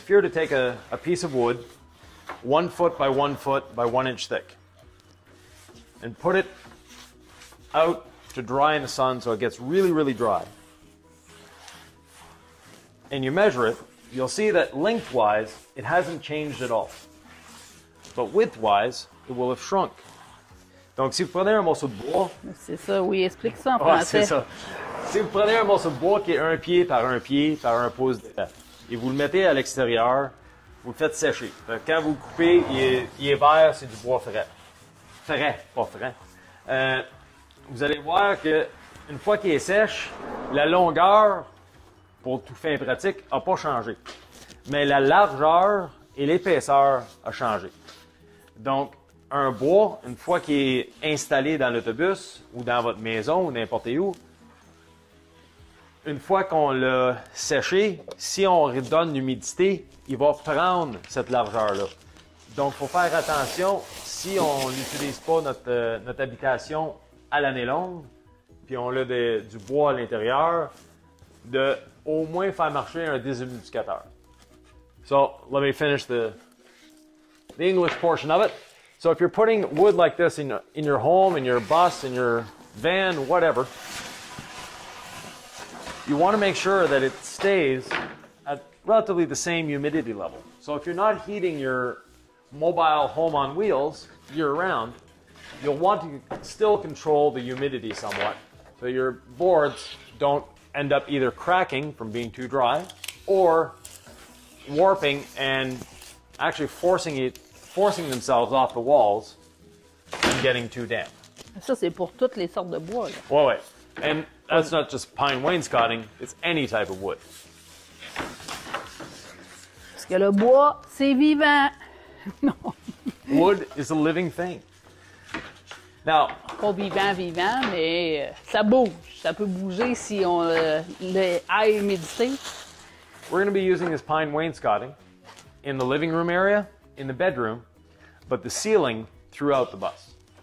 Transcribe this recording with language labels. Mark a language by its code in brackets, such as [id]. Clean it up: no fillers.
[en] If you were to take a piece of wood, 1 foot by 1 foot by 1 inch thick, and put it out to dry in the sun so it gets really, really dry, and you measure it, you'll see that lengthwise, it hasn't changed at all. But widthwise, it will have shrunk. [fr] Donc, si vous prenez un morceau de bois... C'est ça, oui, explique ça en français. C'est ça. Si vous prenez un morceau de bois qui est un pied par un pouce de tête, et vous le mettez à l'extérieur, vous le faites sécher. Fait que quand vous le coupez, il est vert, c'est du bois frais. Frais, pas frais. Vous allez voir que une fois qu'il est sèche, la longueur, pour tout fin pratique, n'a pas changé. Mais la largeur et l'épaisseur a changé. Donc, un bois, une fois qu'il est installé dans l'autobus ou dans votre maison ou n'importe où, une fois qu'on l'a séché, si on redonne l'humidité, il va prendre cette largeur-là. Donc, il faut faire attention, si on n'utilise pas notre habitation à l'année longue, puis on a du bois à l'intérieur, de au moins faire marcher un déshumidificateur. [en] So, let me finish the English portion of it. So if you're putting wood like this in your home, in your bus, in your van, whatever, you want to make sure that it stays at relatively the same humidity level. So if you're not heating your mobile home on wheels year-round, you'll want to still control the humidity somewhat so your boards don't end up either cracking from being too dry or warping and actually forcing themselves off the walls and getting too damp. [fr] Ça, c'est pour toutes les sortes de bois, là. Ouais, ouais. [en] And that's not just pine wainscoting, it's any type of wood. [fr] Parce que le bois, c'est vivant. Non. [en] Wood is a living thing. Now, [fr] pas vivant, vivant, mais ça bouge. Ça peut bouger si on le aille humidité. [en] We're going to be using this pine wainscoting in the living room area, in the bedroom, but the ceiling throughout the bus.